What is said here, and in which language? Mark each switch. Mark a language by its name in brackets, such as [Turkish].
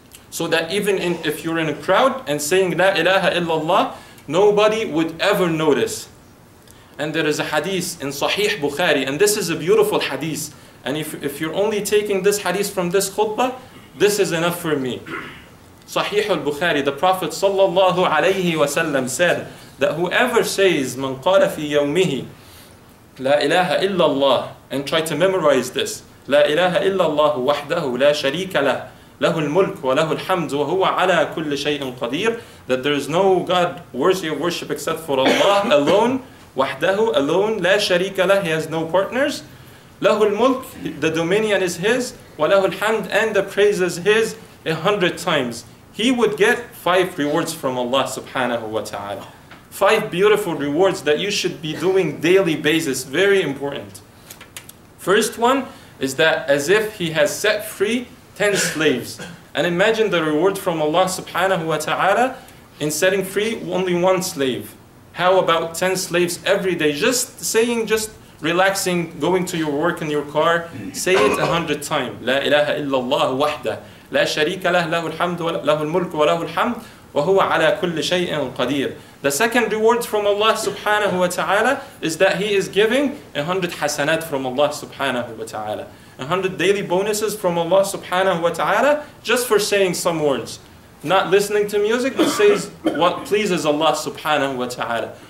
[English] So that even if you're in a crowd and saying [Arabic] لَا إِلَهَ إِلَّا اللَّهِ, [English] nobody would ever notice. And there is a hadith in Sahih Bukhari, and this is a beautiful hadith. And if you're only taking this hadith from this khutbah, this is enough for me. Sahih al-Bukhari, the Prophet sallallahu alayhi wa sallam said that whoever says [Arabic] مَنْ قَالَ فِي يَوْمِهِ لَا إِلَهَ إِلَّا اللَّهِ, [English] and try to memorize this, [Arabic] لَا إِلَهَ إِلَّا اللَّهُ وَحْدَهُ لَا شَرِيكَ لَهُ لَهُ الْمُلْكُ وَلَهُ الْحَمْدُ وَهُوَ عَلَى كُلِّ شَيْءٍ قَدِيرٌ. [English] That there is no God worthy of worship except for Allah alone, وَحْدَهُ alone, [Arabic] لَا شَرِيكَ لَهُ, [English] he has no partners. [Arabic] لَهُ الْمُلْكُ, [English] the dominion is his, [Arabic] وَلَهُ الْحَمْدُ, [English] and the praise is his, 100 times. He would get 5 rewards from Allah subhanahu wa ta'ala. 5 beautiful rewards that you should be doing daily basis, very important. First one is that as if he has set free 10 slaves. And imagine the reward from Allah subhanahu wa ta'ala in setting free only one slave. How about 10 slaves every day? Just saying, just relaxing, going to your work in your car, say it 100 times. [Arabic] La ilaha illallah wahda. لا شريك له له الحمد له الملك وله الحمد وهو على كل شيء قدير. [English] The second reward from Allah subhanahu wa ta'ala is that he is giving 100 hasanat from Allah subhanahu wa ta'ala. 100 daily bonuses from Allah subhanahu wa ta'ala just for saying some words. Not listening to music, but says what pleases Allah subhanahu wa ta'ala.